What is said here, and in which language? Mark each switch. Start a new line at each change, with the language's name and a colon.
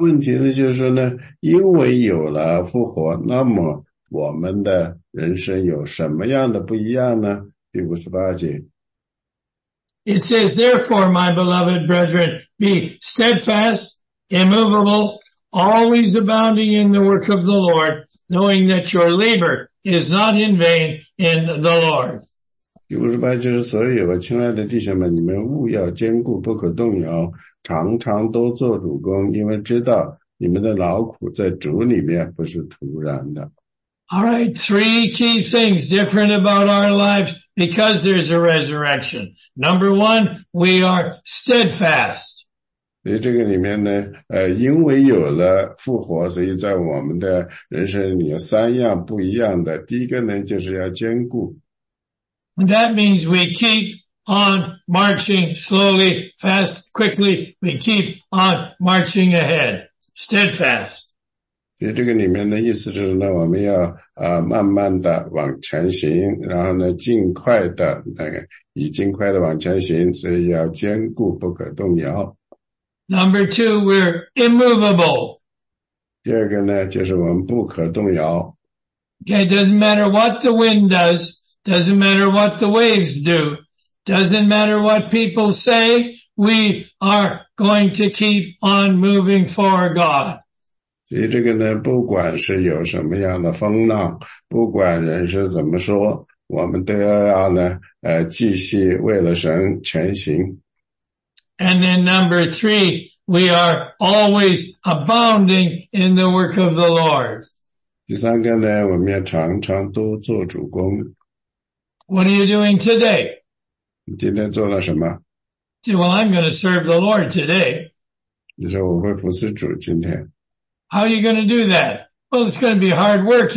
Chinese: 问题呢就是说呢，因为有了复活，那么我们的人生有什么样的不一样呢？第五十八节。
English: It says, therefore, my beloved brethren, be steadfast, immovable, always abounding in the work of the Lord, knowing that your labor is not in vain in the Lord.
Chinese: 第五十八节是所以我亲爱的弟兄们，你们务要坚固，不可动摇，常常都做主工，因为知道你们的劳苦在主里面不是徒然的。
English: Alright, three key things different about our lives because there's a resurrection. Number one, we are steadfast.
Chinese: 所以这个里面呢，因为有了复活，所以在我们的人生里有三样不一样的。第一个呢，就是要坚固。
English: That means we keep on marching slowly, fast, quickly. We keep on marching ahead. Steadfast.
Chinese: 所以这个里面的意思就是呢，我们要慢慢的往前行，然后呢尽快的那个以尽快的往前行，所以要坚固不可动摇。
English: Number two, we're immovable.
Chinese: 第二个呢就是我们不可动摇。
English: Okay, doesn't matter what the wind does, doesn't matter what the waves do, doesn't matter what people say, we are going to keep on moving for God.
Chinese: 所以这个呢，不管是有什么样的风浪，不管人是怎么说，我们都要呢，继续为了神前行。
English: And then number three, we are always abounding in the work of the Lord.
Chinese: 第三个呢，我们要常常都做主工。
English: What are you doing today?
Chinese: 你今天做了什么？
English: Well, I'm going to serve the Lord today.
Chinese: 你说我会服侍主今天。
English: How are you going to do that? Well, it's going to be hard work.